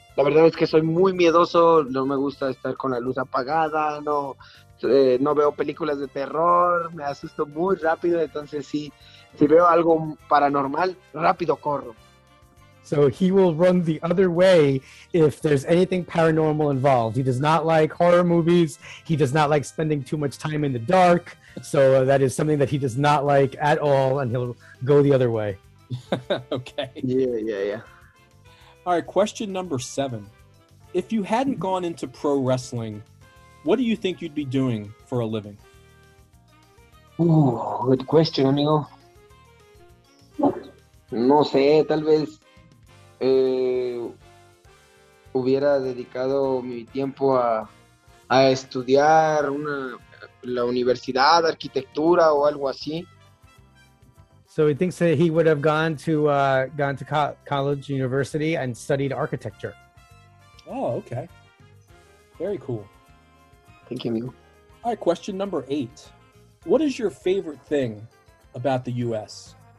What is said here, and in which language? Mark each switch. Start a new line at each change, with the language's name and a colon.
Spanish: La verdad es que soy muy miedoso, no me gusta estar con la luz apagada, no veo películas de terror, me asusto muy rápido, entonces sí, si veo algo paranormal, rápido corro.
English: So he will run the other way if there's anything paranormal involved. He does not like horror movies, he does not like spending too much time in the dark, so that is something that he does not like at all, and he'll go the other way. Okay. Yeah. All right, question number seven. If you hadn't gone into pro wrestling, what do you think you'd be doing for a living? Ooh, good question, amigo.
Spanish: No sé, tal vez hubiera dedicado mi tiempo a estudiar la universidad, arquitectura o algo así.
English: So he thinks that he would have gone to college, university, and studied architecture. Oh, okay. Very cool. Thank you, amigo. All right, question number eight. What is your favorite thing about the U.S.?